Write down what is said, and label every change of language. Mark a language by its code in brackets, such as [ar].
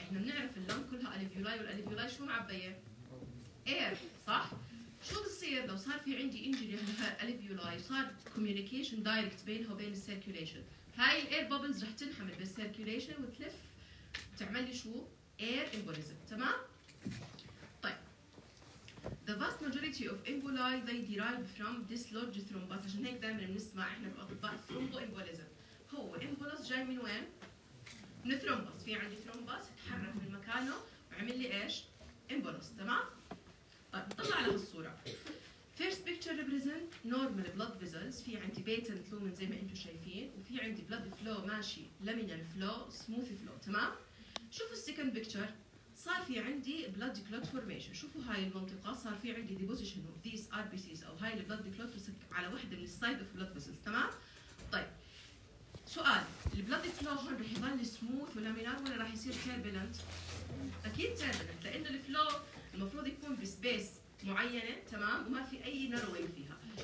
[ar] احنا بنعرف اللونج كلها الفيولاي، والالفيولاي شو معبيه؟ اير، صح؟ شو بصير لو صار في عندي انجري على الالفيولاي؟ صار كوميونيكيشن دايركت بينها وبين السيركيوليشن، هاي الاير بابلز رح تنحمل بالسيركيوليشن وتلف تعمل لي شو؟ اير امبوليزم، تمام؟ طيب [en] the vast majority of emboli they derive from dislodged thrombus. [ar] عشان هيك دائما بنسمع احنا الاطباء ثرومبو امبوليزم، هو امبولوس جاي من وين؟ من ثرومبوس. في عندي ثرومبوس تحرك من مكانه وعمل لي ايش؟ امبولوس، تمام؟ طلع على الصورة. [en] First picture represent normal blood vessels. [ar] في عندي [en] patent lumen [ar] زي ما انتم شايفين، وفي عندي [en] blood flow [ar] ماشي [en] laminar flow smooth flow، [ar] تمام؟ شوفوا [en] second picture، [ar] صار في عندي [en] blood clot formation. [ar] شوفوا هاي المنطقة، صار في عندي [en] deposition of these RBCs [ar] أو هاي [en] blood clot [ar] على واحدة من [en] side of blood vessels، [ar] تمام؟ طيب سؤال، البلد فلو هون رح يضل سموث ولامينار ولا رح يصير تيربلنت؟ اكيد تيربلنت، لانه الفلو المفروض يكون بسبيس معينه، تمام؟ وما في اي نروينج فيها.